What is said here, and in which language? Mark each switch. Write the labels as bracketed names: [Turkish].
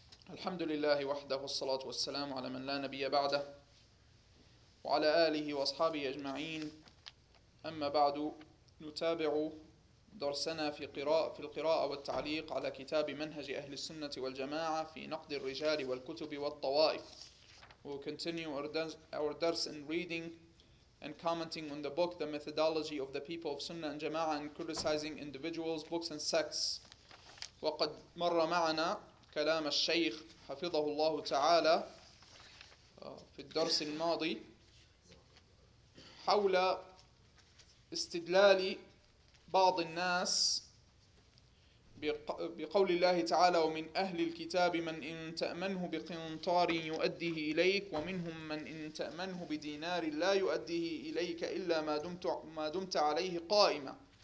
[Arabic] الحمد لله وحده والصلاة والسلام على من لا نبي بعده وعلى آله وأصحابه أجمعين. أما بعد، نتابع درسنا في القراءة والتعليق على كتاب منهج أهل السنة والجماعة في نقد الرجال والكتب والطوائف. [English] We'll continue our درس in reading and commenting on the book The Methodology of the People of Sunnah and Jama'ah and criticizing individuals, books and sects. [Arabic] وقد مر معنا كلام الشيخ حفظه الله تعالى في الدرس الماضي حول استدلال بعض الناس بقول الله تعالى ومن أهل الكتاب من إن تأمنه بقنطار يؤديه إليك ومنهم من إن تأمنه بدينار لا يؤديه إليك إلا ما دمت عليه قائما.